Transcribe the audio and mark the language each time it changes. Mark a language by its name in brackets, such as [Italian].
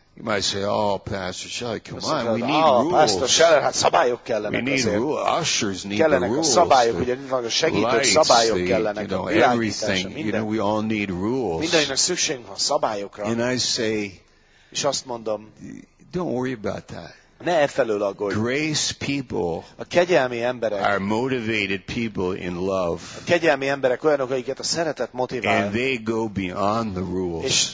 [English] You might say, oh, Pastor Shelley, come on, we need rules. [Hungarian] Pastor Shelley, hát szabályok kellenek [English] azért. We need rules, ushers need the rules. [Hungarian] Kellenek a szabályok, ugye, a segítők, szabályok kellenek. [English] You know, everything, you know, we all need rules. [Hungarian] Mindenkinek szükség van szabályokra. [English] And I say, [Hungarian] és azt mondom, [English] don't worry about that. [Hungarian] Ne e felől aggódj. [English] Grace people, [Hungarian] a kegyelmi emberek, [English] are motivated people in love. [Hungarian] A kegyelmi emberek olyanok, akiket a szeretet motivál. [English] And they go beyond the rules.